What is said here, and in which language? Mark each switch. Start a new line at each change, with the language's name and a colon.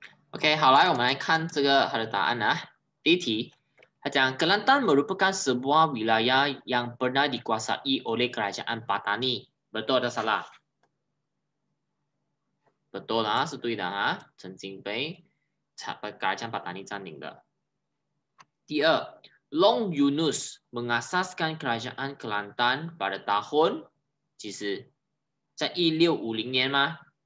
Chinese: OK， 好来，我们来看这个它的答案啊。第一题，它讲
Malay: Kelantan merupakan sebuah wilayah yang pernah dikuasai oleh kerajaan Patani. Betul atau salah? Betul lah,
Chinese: 是对的啊，曾经被kerajaan Patani 占领的。
Malay: 第二 ，Long Yunus mengasaskan kerajaan Kelantan pada tahun，
Chinese: 其实在1650年吗？